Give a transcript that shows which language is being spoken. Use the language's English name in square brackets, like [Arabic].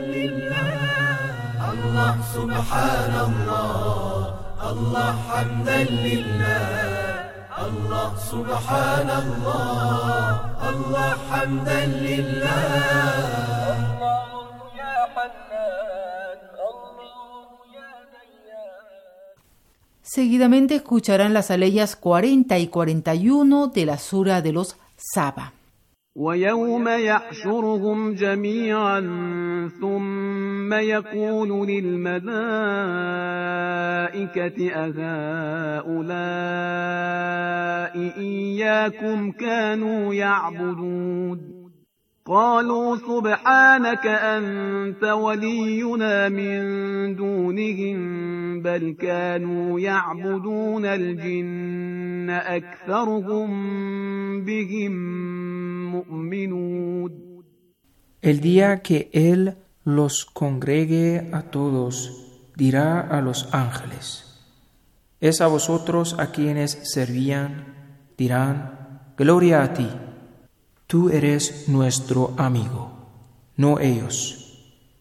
[Spanish] Allah subhanallah, Allah hamdulillah, Allah subhanallah, Allah hamdulillah. Seguidamente escucharán las aleyas 40 y 41 de la sura de los Saba. [Arabic] ويوم يحشرهم جميعا ثم يقول للملائكة أهؤلاء إياكم كانوا يعبدون قالوا سبحانك أنت ولينا من دونهم بل كانوا يعبدون الجن أكثرهم بهم مؤمنون. [Spanish] El día que Él los congregue a todos, dirá a los ángeles: Es a vosotros a quienes servían, dirán: Gloria a ti. Tú eres nuestro amigo, no ellos.